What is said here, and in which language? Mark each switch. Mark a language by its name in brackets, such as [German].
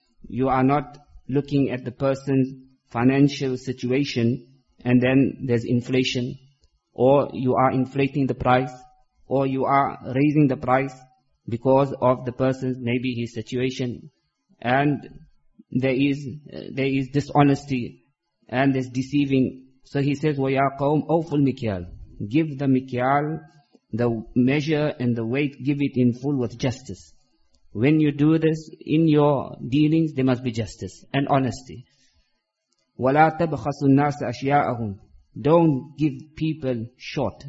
[English] You are not looking at the person's financial situation and then there's inflation, or you are inflating the price, or you are raising the price because of the person's, maybe his situation, and there is dishonesty and there's deceiving. So he says, [Arabic] وَيَا قَوْمْ أَوْفُ الْمِكْيَالِ. [English] Give the mikyal, the measure and the weight, give it in full with justice. When you do this in your dealings, there must be justice and honesty. [Arabic] وَلَا تَبْخَسُ النَّاسَ أَشْيَاءَهُمْ. [English] Don't give people short.